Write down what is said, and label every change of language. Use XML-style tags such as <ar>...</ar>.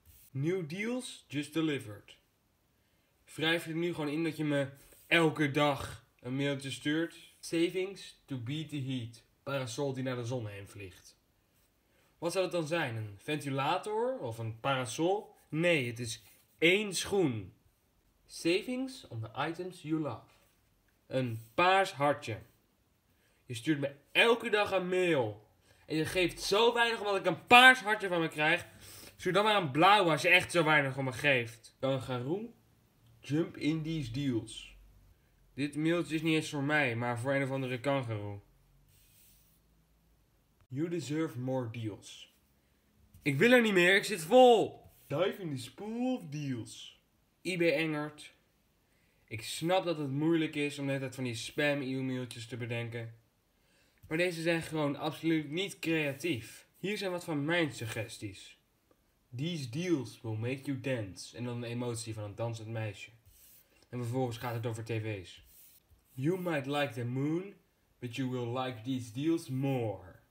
<en>New deals just delivered.</en> <nl>Wrijf je er nu gewoon in dat je me elke dag een mailtje stuurt.</nl> <en>Savings to beat the heat.</en> <nl>Parasol die naar de zon heen vliegt. Wat zou dat dan zijn? Een ventilator of een parasol? Nee, het is 1 schoen.</nl> <en>Savings on the items you love.</en> <nl>Een paars hartje. Je stuurt me elke dag een mail. En je geeft zo weinig omdat ik een paars hartje van me krijg. Stuur dan maar een blauw als je echt zo weinig om me geeft.</nl> <en>Dan Garou, jump in these deals.</en> <nl>Dit mailtje is niet eens voor mij, maar voor een of andere kangaroo.</nl> <en>You deserve more deals.</en> <nl>Ik wil er niet meer, ik zit vol.</nl> <en>Dive in the pool of deals. eBay Engert.</en> <nl>Ik snap dat het moeilijk is om net uit van die spam e-mailtjes te bedenken. Maar deze zijn gewoon absoluut niet creatief. Hier zijn wat van mijn suggesties.</nl> <en>These deals will make you dance.</en> <nl>En dan de emotie van een dansend meisje. En vervolgens gaat het over tv's.</nl> <en>You might like the moon, but you will like these deals more.</en>